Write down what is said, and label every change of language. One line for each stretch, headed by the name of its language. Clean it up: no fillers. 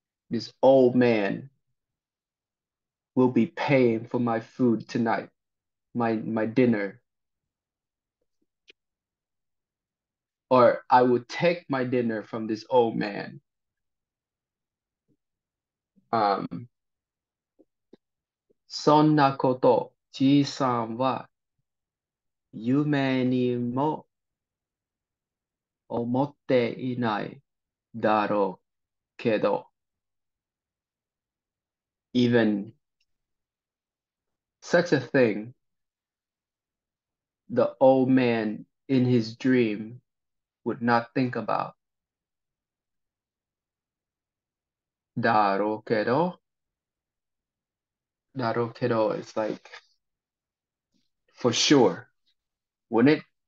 English: This old man will be paying for my food tonight. My dinner. Or I will take my dinner from this old man.
Japanese: そんなこと、じいさんは夢にも思っていないだろうけど。
English: Even such a thing, the old man in his dream would not think about.
Japanese: だろうけど
English: is like for sure, wouldn't it?